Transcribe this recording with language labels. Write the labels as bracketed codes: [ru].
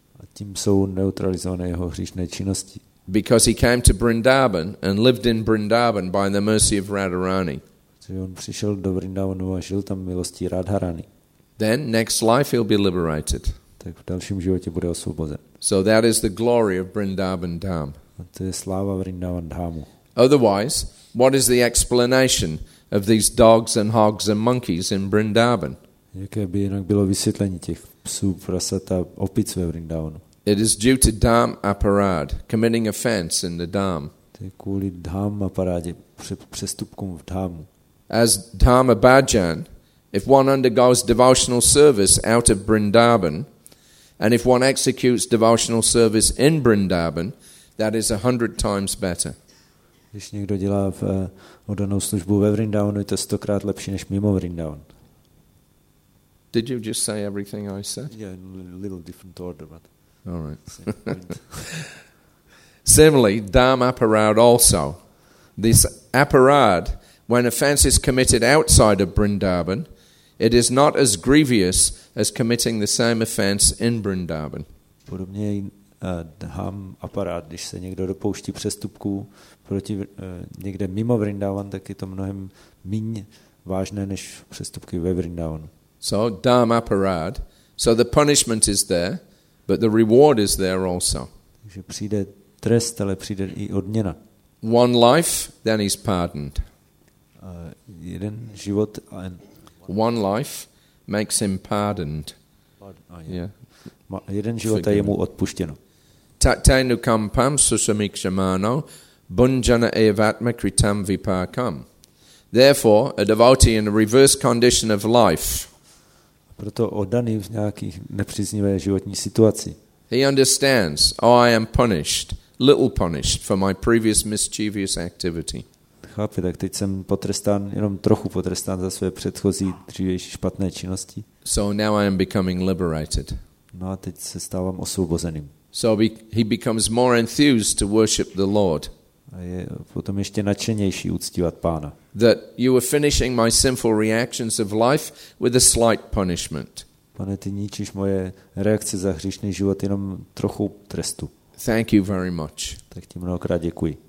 [cs] A tím jsou neutralizované jeho hříšné činnosti. [en] Because he came to Vrindavan and lived in Vrindavan by the mercy of Radharani. [cs] Že on přišel do Vrindavanu a žil tam milostí Radharani. [en] Then next life he'll be liberated. [cs] Tak v dalším životě bude osvobozen. [en] So that is the glory of Vrindavan Dham. [cs] A to je sláva Vrindavan Dhamu. [en] Otherwise, what is the explanation of these dogs and hogs and monkeys in Vrindavan? [cs] Jaké by jinak bylo vysvětlení těch psů, prasat a opic ve Vrindavanu? [en] It is due to dham aparad, committing offense in the dham. [cs] To je kvůli dham aparadě, přestupkům v dhamu. [en] As Dharma Bhajan, if one undergoes devotional service out of Vrindavan, and if one executes devotional service in Vrindavan, that is 100 times better. [cs] Když někdo dělá oddanou službu ve Vrindavanu, je to 100x lepší než mimo Vrindavan. [en] Did you just say everything I said? Yeah, in a little different order, but. All right. Similarly, Dharma Aparad also. This Aparad, when offense is committed outside of Vrindavan, it is not as grievous as committing the same offense in Vrindavan. [cs] Podobně dham aparát, když se někdo dopouští přestupků proti někde mimo Vrindavan, tak je to mnohem míň vážné než přestupky ve Vrindavanu. [en] So dham aparát, so the punishment is there, but the reward is there also. [cs] Takže přijde trest, ale přijde i odměna. [en] One life, then he's pardoned. [cs] Jeden život a [en] one life makes him pardoned. [cs] Jeden život a je mu odpuštěno. [sa] Tatainu kampam susamikshamano bunjana evatma kritam vipakam. [en] Therefore, a devotee in a reverse condition of life. [cs] Proto oddaný v nějaké nepříznivé životní situaci. [en] He understands, oh, I am punished, little punished for my previous mischievous activity. [cs] Chápu, tak teď jsem potrestán, jenom trochu potrestán za své předchozí dřívější špatné činnosti. [en] So now I am becoming liberated. [cs] No a teď se stávám osvobozeným. [en] So he becomes more enthused to worship the Lord. [cs] A je potom ještě nadšenější uctívat Pána. [en] That you are finishing my sinful reactions of life with a slight punishment. [cs] Pane, ty ničíš moje reakce za hříšný život jenom trochu trestu. [en] Thank you very much. [cs] Tak ti mnohokrát děkuji.